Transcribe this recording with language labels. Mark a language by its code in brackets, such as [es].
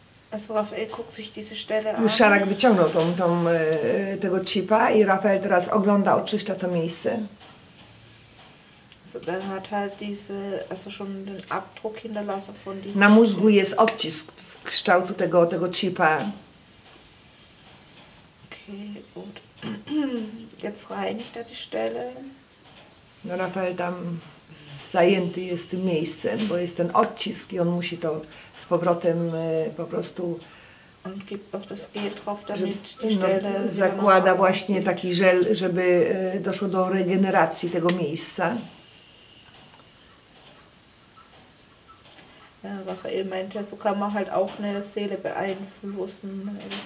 [de] Also Raphael guckt sich diese Stelle an. [pl] Szarak wyciągnął tą tego chipa i Raphael teraz ogląda, oczyszcza to miejsce. [de] Also der hat halt diese, also schon den Abdruck hinterlassen von diesem. [pl] Na mózgu jest odcisk w kształtu tego chipa. [de] Okay, gut. Jetzt reinigt die Stelle. [pl] No Raphael tam zajęty jest tym miejscem, bo jest ten odcisk i on musi to z powrotem po prostu. [de] On gibt auch das Gel drauf, damit die Stelle. [pl] No, zakłada właśnie taki żel, żeby doszło do regeneracji tego miejsca. [de] Raphael meinte, so kann man halt auch eine Seele beeinflussen.